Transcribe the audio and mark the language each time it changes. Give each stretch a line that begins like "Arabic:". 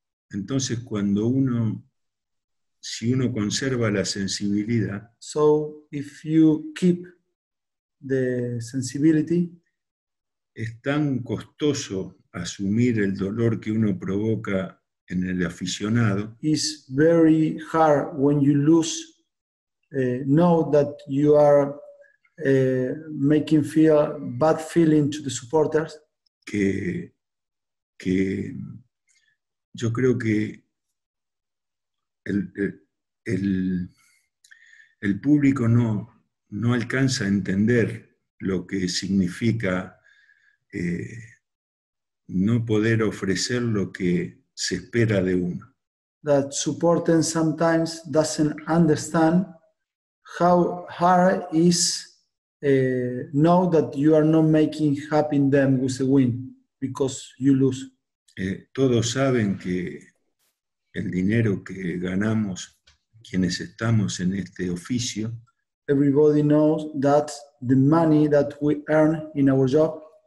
Spanish: Entonces cuando uno, si uno conserva la sensibilidad.
English: So if you keep the sensibility.
Spanish: Es tan costoso asumir el dolor que uno provoca en el aficionado.
English: It's very hard when you lose, know that you are making feel bad feeling to the supporters.
Spanish: Que yo creo que el el público no alcanza a entender lo que significa no poder ofrecer lo que se espera de uno.
English: That supporting sometimes doesn't understand how hard it is know that you are not making happy them with a win because you lose.
Spanish: Todos saben que el dinero que ganamos quienes estamos en este oficio.
English: Everybody knows that the money that we earn in our job